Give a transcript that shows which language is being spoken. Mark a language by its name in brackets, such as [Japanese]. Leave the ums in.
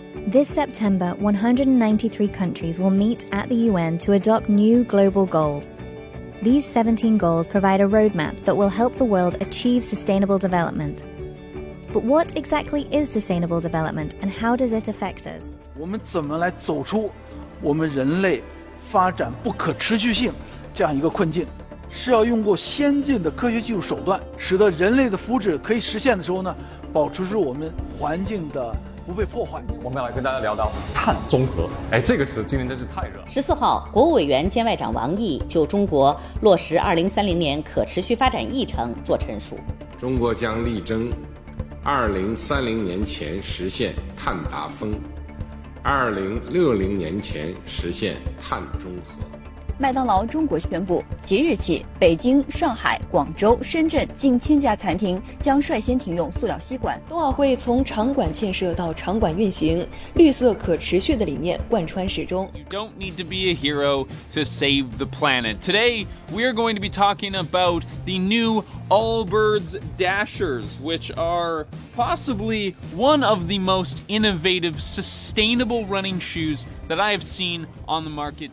[English] This September, 193 countries will meet at the UN to adopt new global goals. These 17 goals provide a roadmap that will help the world achieve sustainable development. But what exactly is sustainable development and how does it affect us? [Chinese] We 走出我们人类发展不可持续性这样一个困境，是要用过先进的科学技术手段，使得人类的福祉可以实现的时候呢，保持住我们环境的。不被破坏我们要来跟大家聊到碳中和，哎，这个词今年真是太热。十四号，国务委员兼外长王毅就中国落实二零三零年可持续发展议程做陈述。中国将力争二零三零年前实现碳达峰，二零六零年前实现碳中和。麦当劳中国宣布，即日起，北京、上海、广州、深圳近千家餐厅将率先停用塑料吸管。冬奥会从场馆建设到场馆运行，绿色可持续的理念贯穿始终。 [English] you don't need to be a hero to save the planet today we are going to be talking about the new。 Allbirds Dashers, which are possibly one of the most innovative, sustainable running shoes that I have seen on the market.